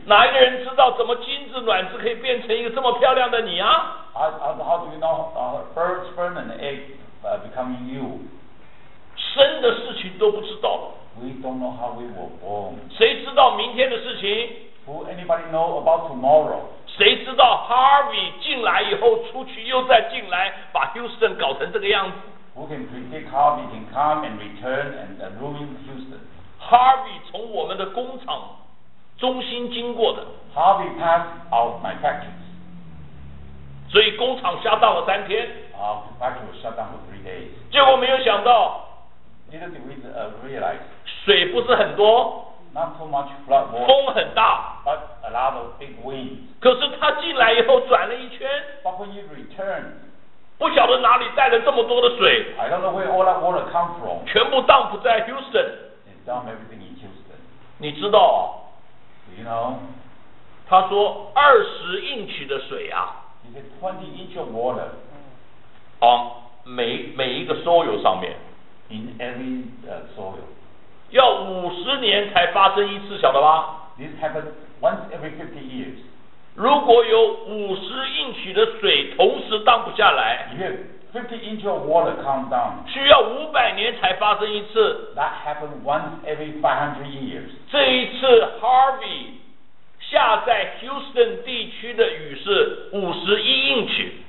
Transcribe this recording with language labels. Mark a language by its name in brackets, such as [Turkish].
[Chinese] 哪一个人知道怎么精子卵子可以变成一个这么漂亮的你啊？ [English] How do you know first sperm and egg becoming you? [Chinese] 生的事情都不知道。 [English] We don't know how we were born. [Chinese] 谁知道明天的事情？ [English] Who anybody know about tomorrow? [Chinese] 谁知道 Harvey 进来以后出去又再进来，把 Houston 搞成这个样子 [English] ？Who can predict Harvey can come and return and ruin Houston? [Chinese] Harvey 从我们的工厂中心经过的。 [English] Harvey passed out my factories. [Chinese] 所以工厂下档了三天。 [English] Factory was shut down for 3 days. [Chinese] 结果没有想到。 [English] Didn't we realize? [Chinese] 水不是很多。 [English] Not too much flood water. [Chinese] 风很大。 [English] But a lot of big winds. [Chinese] 可是他进来以后转了一圈， [English] But when you return, [Chinese] 不晓得哪里带了这么多的水， [English] I don't know where all that water come from. [Chinese] 全部当铺在 Houston, [English] It's dump everything in Houston. [Chinese] 你知道、 [English] Do、you know? [Chinese] 他说二十英尺的水啊， [English] He said 20 inch of water. [Chinese] 每一个 soil 上面 [English] in every soil [Chinese] 要50年才发生一次晓得吧 [English] this happens once every 50 years [Chinese] 如果有50英尺的水同时荡不下来 [English] 50 inch of water come down [Chinese] 需要500年才发生一次 [English] that happened once every 500 years [Chinese] 这一次 Harvey 下在 Houston 地区的雨是 51英尺